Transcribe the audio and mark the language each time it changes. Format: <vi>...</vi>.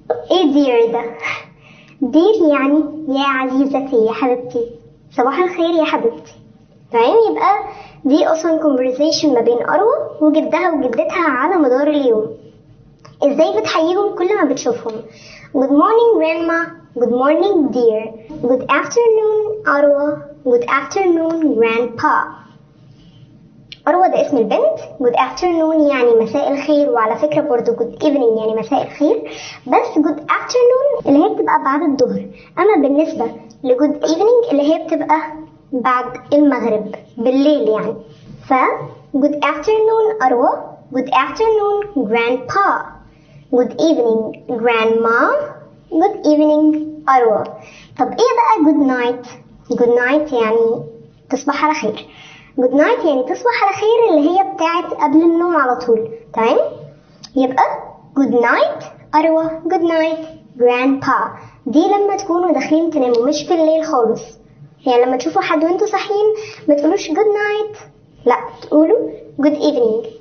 <ar>ايه dear ده؟ dear يعني يا عزيزتي يا حبيبتي. صباح الخير يا حبيبتي. تمام. يبقى دي اصلا conversation ما بين اروى وجدها وجدتها على مدار اليوم. ازاي بتحييهم كل ما بتشوفهم؟</ar> <en>good morning grandma. good morning dear. good afternoon اروى. good afternoon grandpa.</en> <ar>اروى ده اسم البنت. good afternoon يعني مساء الخير. وعلى فكره برضو good evening يعني مساء الخير. بس good afternoon اللي هي بتبقى بعد الظهر. اما بالنسبه ل good evening اللي هي بتبقى بعد المغرب بالليل يعني.</ar> <en>ف good afternoon اروى. good afternoon grandpa. good evening grandma. good evening اروى.</en> <ar>طب ايه بقى good night؟ good night يعني تصبح على خير. good night يعني تصبح على خير اللي هي بتاعت قبل النوم على طول. تمام.</ar> <en>يبقى good night اروى. good night grandpa.</en> <ar>دي لما تكونوا داخلين تناموا مش في الليل خالص. يعني لما تشوفوا حد وانتوا صاحيين ما تقولوش good night، لا تقولوا good evening.</ar>